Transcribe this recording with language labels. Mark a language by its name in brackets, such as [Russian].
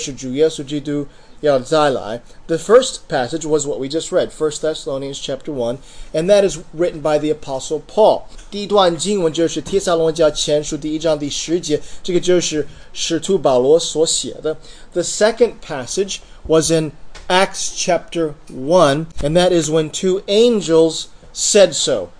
[Chinese] 三段经文，这些经文都很清楚地说，清楚地赐给我们这个应许，就是主耶稣基督要再来。 [English] The first passage was what we just read, 1 Thessalonians chapter 1, and that is written by the Apostle Paul. [Chinese] 第一段经文就是帖撒罗尼迦前书第一章第十节，这个就是使徒保罗所写的。 [English] The second passage was in Acts chapter 1, and that is when two angels said so.